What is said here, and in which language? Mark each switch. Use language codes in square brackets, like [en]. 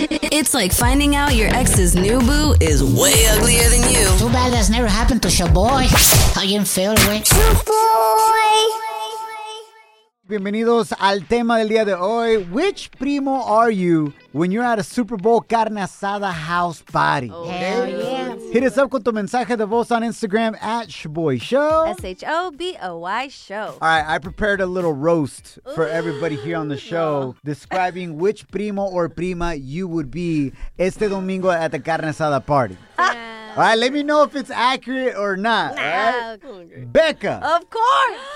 [en] It's like finding out your ex's new boo is way uglier than you. Too bad that's never happened to Shaboy. How you feel, boy? Shaboy. [es] Bienvenidos al tema del día de hoy. [en] Which primo are you when you're at a Super Bowl carne asada house party? Oh, hell yeah. Hit us up [es] con tu mensaje de voz [en] on Instagram at Shaboy Show. S-H-O-B-O-Y Show. All right, I prepared a little roast for everybody here on the show describing which primo or prima you would be [es] este domingo [en] at the carne asada party. Yeah. All right, let me know if it's accurate or not. Nah. All right? Becca. Of course.